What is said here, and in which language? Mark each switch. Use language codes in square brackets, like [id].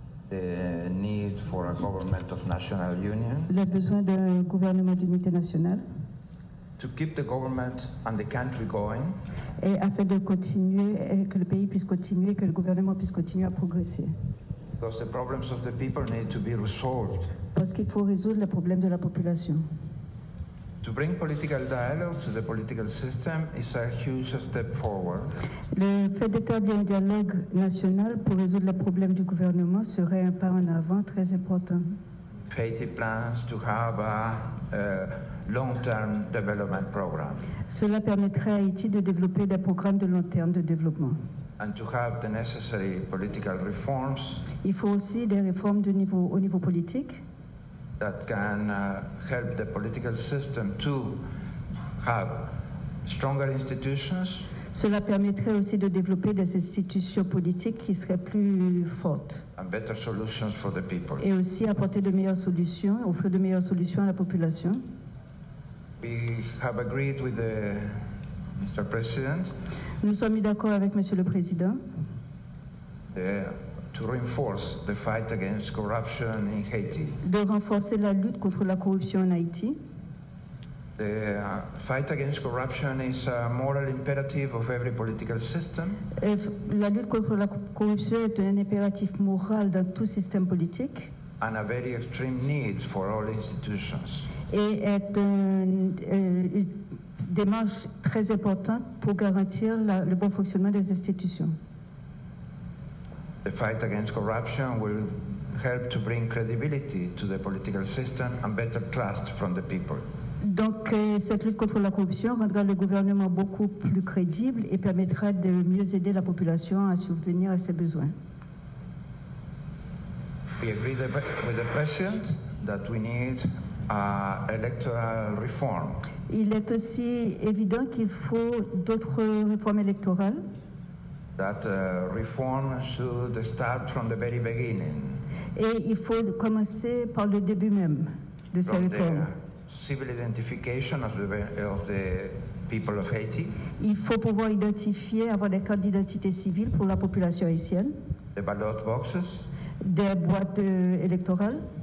[en] The need for a government of national union. [fr] Le besoin d'un gouvernement d'unité nationale. [en] To keep the government and the country going. [fr] Et afin de continuer, que le pays puisse continuer, que le gouvernement puisse continuer à progresser. [en] Because the problems of the people need to be resolved. [fr] Parce qu'il faut résoudre les problèmes de la population. [en] To bring political dialogue to the political system is a huge step forward. [fr] Le fait d'établir un dialogue national pour résoudre les problèmes du gouvernement serait un pas en avant très important. [en] Faith plans to have a long-term development program. [fr] Cela permettrait à Haïti de développer des programmes de long terme de développement. [en] And to have the necessary political reforms. [fr] Il faut aussi des réformes de niveau, au niveau politique. [en] That can help the political system to have stronger institutions. [fr] Cela permettrait aussi de développer des institutions politiques qui seraient plus fortes. [en] And better solutions for the people. [fr] Et aussi apporter de meilleures solutions, offrir de meilleures solutions à la population. [en] We have agreed with the Mr. President. [fr] Nous sommes mis d'accord avec Monsieur le Président. [en] To reinforce the fight against corruption in Haiti. [fr] De renforcer la lutte contre la corruption en Haïti. [en] The fight against corruption is a moral imperative of every political system. [fr] La lutte contre la corruption est un impératif moral dans tout système politique. [en] And a very extreme need for all institutions. [fr] Et est une démarche très importante pour garantir le bon fonctionnement des institutions. [en] The fight against corruption will help to bring credibility to the political system and better trust from the people. [fr] Donc, cette lutte contre la corruption rendra le gouvernement beaucoup plus crédible et permettra de mieux aider la population à subvenir à ses besoins. [en] We agree with the president that we need electoral reform. [fr] Il est aussi évident qu'il faut d'autres réformes électorales. [en] That reform should start from the very beginning. [fr] Et il faut commencer par le début même de ces réformes. [en] Civil identification of the people of Haiti. [fr] Il faut pouvoir identifier, avoir des cartes d'identité civile pour la population haïtienne. [en] The ballot boxes. [fr] Des boîtes électorales.